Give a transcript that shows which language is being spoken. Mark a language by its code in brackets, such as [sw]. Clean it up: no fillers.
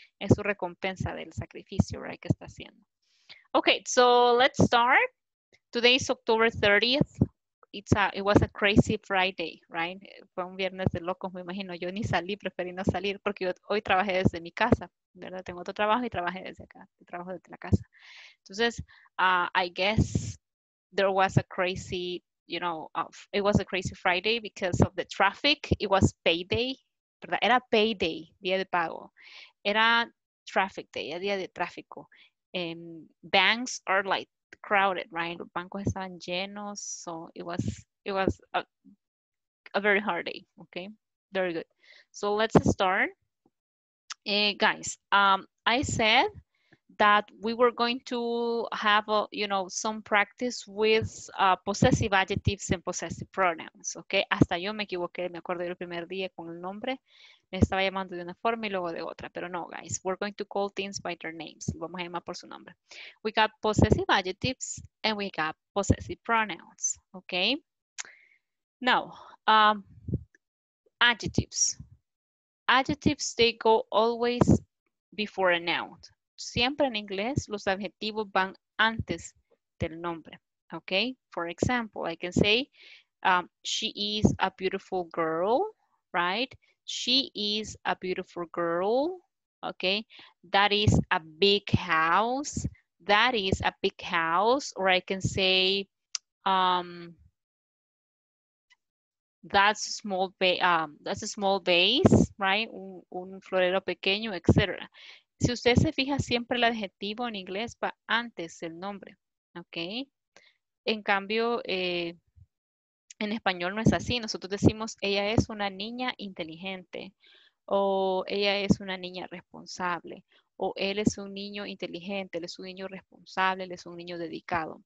[es] Es su recompensa del sacrificio, ¿verdad? Que está haciendo. [en] Okay, so let's start. Today is October 30th. It was a crazy Friday, right? [es] Fue un viernes de locos, me imagino. Yo ni salí, preferí no salir porque yo hoy trabajé desde mi casa, ¿verdad? Tengo otro trabajo y trabajé desde acá, trabajo desde la casa. [en] Entonces, I guess there was a crazy, you know, it was a crazy Friday because of the traffic. It was payday, [es] ¿verdad? Era payday, día de pago. Era traffic day, era día de tráfico. [en] Banks are like crowded, right? [es] Los bancos estaban llenos, [en] so it was a very hard day. Okay, very good. So let's start, guys. I said that we were going to have some practice with possessive adjectives and possessive pronouns. [es] Okay, hasta yo me equivoqué. Me acuerdo el primer día con el nombre. Me estaba llamando de una forma y luego de otra, pero no, guys. [en] We're going to call things by their names. [es] Vamos a llamar por su nombre. [en] We got possessive adjectives and we got possessive pronouns, okay? Now, adjectives. Adjectives, they go always before a noun. [es] Siempre en inglés, los adjetivos van antes del nombre, okay? [en] For example, I can say, she is a beautiful girl, right? She is a beautiful girl, okay? That is a big house. That is a big house. Or I can say, that's a small vase, right? [es] Un florero pequeño, etc. Si usted se fija, siempre el adjetivo en inglés va antes del nombre, okay? En cambio, en español no es así. Nosotros decimos, ella es una niña inteligente, o ella es una niña responsable, o él es un niño inteligente, él es un niño responsable, él es un niño dedicado.